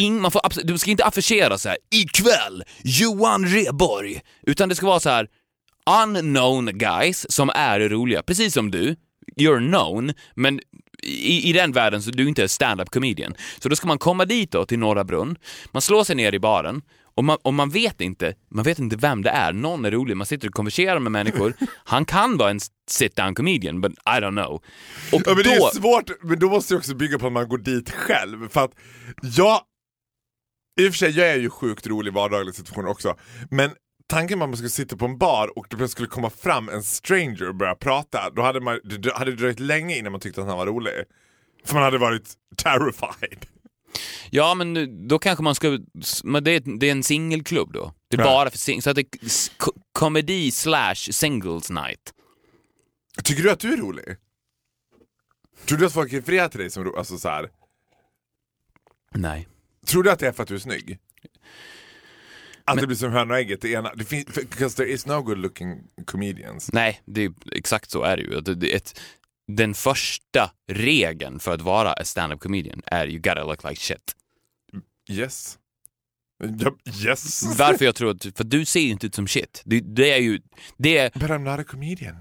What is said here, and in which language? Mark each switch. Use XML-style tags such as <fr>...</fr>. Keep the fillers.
<sv>in, man får abs- du ska inte affischera så här “ikväll, Johan Reborg”, utan det ska vara så här</sv> <en>unknown guys</en> <sv>som är roliga, precis som du.</sv> <en>You're known,</en> <sv>men i, i den världen så du inte är stand-up comedian. Så då ska man komma dit då till Norra Brunn, man slår sig ner i baren och man, och man vet inte, man vet inte vem det är, någon är rolig, man sitter och konverserar med människor. Han kan vara en sit-down comedian,</sv> <en>but I don't know.</en> <sv>Och Ja, men då... det är svårt, men då måste det också bygga på att man går dit själv. För att jag, i och för sig, jag är ju sjukt rolig i vardagliga situationer också. Men tanken på att man skulle sitta på en bar och det plötsligt skulle komma fram en stranger och börja prata. Då hade, man, det hade det dröjt länge innan man tyckte att han var rolig. För man hade varit terrified. Ja, men då kanske man ska... Men det, är, det är en singelklubb då. Det är Ja. bara för sing, Så att det är s- ko- komedi slash singles night. Tycker du att du är rolig? Tror du att folk refererar till dig som rolig? Alltså, så här. Nej. Tror du att det är för att du är snygg? Att det blir som hönan och ägget, det ena. Det finns,</sv> <en>because there is no good looking comedians.</en> <sv>Nej, det är, exakt så är det ju. Det, det, är ett, den första regeln för att vara a stand-up comedian är</sv> <en>you gotta look like shit. Yes.</en> <sv>Ja,</sv> <en>yes.</en> <sv>Varför jag tror att... För du ser ju inte ut som shit. Det, det är ju... Det är,</sv> <en>But I'm not a comedian.</en>